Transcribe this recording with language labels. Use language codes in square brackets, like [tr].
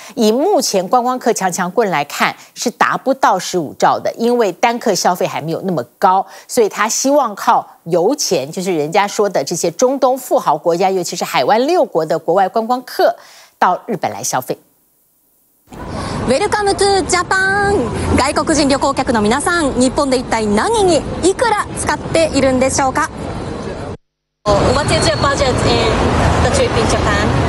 [zh] 以目前观光客强强棍来看，是达不到15兆的，因为单客消费还没有那么高，所以他希望靠油钱，就是人家说的这些中东富豪国家，尤其是海湾6国的国外观光客到日本来消费。 [en] Welcome to Japan. [ja] 外国人旅行客の皆さん、日本で一体何にいくら使っているんでしょうか？ [en] What is your budget in the trip in Japan?